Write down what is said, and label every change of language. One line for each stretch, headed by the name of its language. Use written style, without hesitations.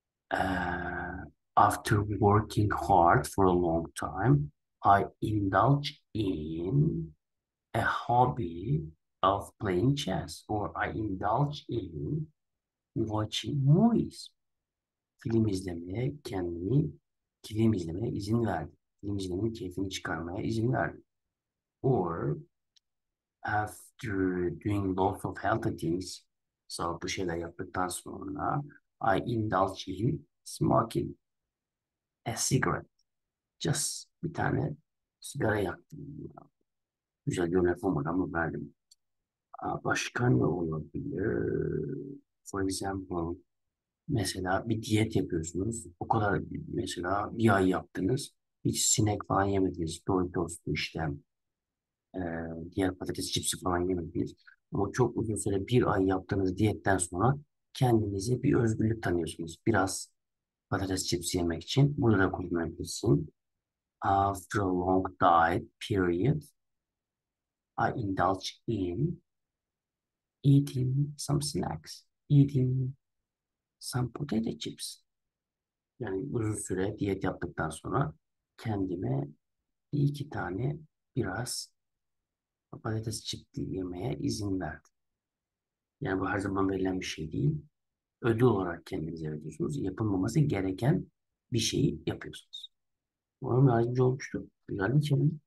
English: After working hard for a long time, I indulge in a hobby of playing chess, or I indulge in watching movies.
Turkish: Film izlemeye kendimi, film izlemeye izin verdim. Film izlemenin keyfini çıkarmaya izin verdim.
English: Or after doing lots of healthy things,
Turkish: sağlıklı şeyler yaptıktan sonra,
English: I indulge in smoking a cigarette. Just
Turkish: bir tane sigara yaktım. Güzel bir örnek olmadan mı verdim? Başka ne olabilir?
English: For example,
Turkish: mesela bir diyet yapıyorsunuz. O kadar mesela bir ay yaptınız. Hiç sinek falan yemediniz. Doritos işte. Diğer patates cipsi falan yemediniz. Ama çok uzun süre bir ay yaptığınız diyetten sonra kendinize bir özgürlük tanıyorsunuz. Biraz patates cipsi yemek için. Burada da kullanabilirsin.
English: After a long diet period, I indulge in eating some snacks, eating some potato chips.
Turkish: Yani uzun süre diyet yaptıktan sonra kendime iki tane biraz patates çipli yemeye izin verdim. Yani bu her zaman verilen bir şey değil. Ödül olarak kendinize veriyorsunuz. Yapılmaması gereken bir şeyi yapıyorsunuz. Umarım yardımcı olmuştur. Güzel bir kelime.